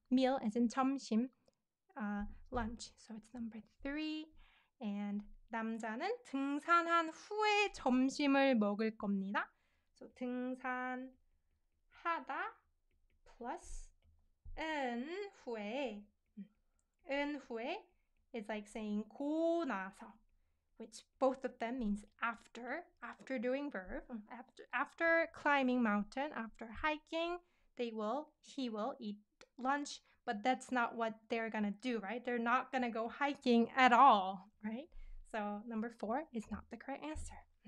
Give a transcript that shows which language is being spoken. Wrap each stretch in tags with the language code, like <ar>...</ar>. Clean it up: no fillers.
<en>Meal as in 점심, lunch. So it's number three. And</en> <ko>남자는 등산한 후에 점심을 먹을 겁니다.</ko> <en>So, 등산하다 plus</en> <ko>은 후에 은 후에</ko> <en>is like saying</en> <ko>고 나서</ko> <en>which both of them means after doing verb after climbing mountain after hiking he will eat lunch but that's not what they're gonna do right they're not gonna go hiking at all right so number four is not the correct answer</en>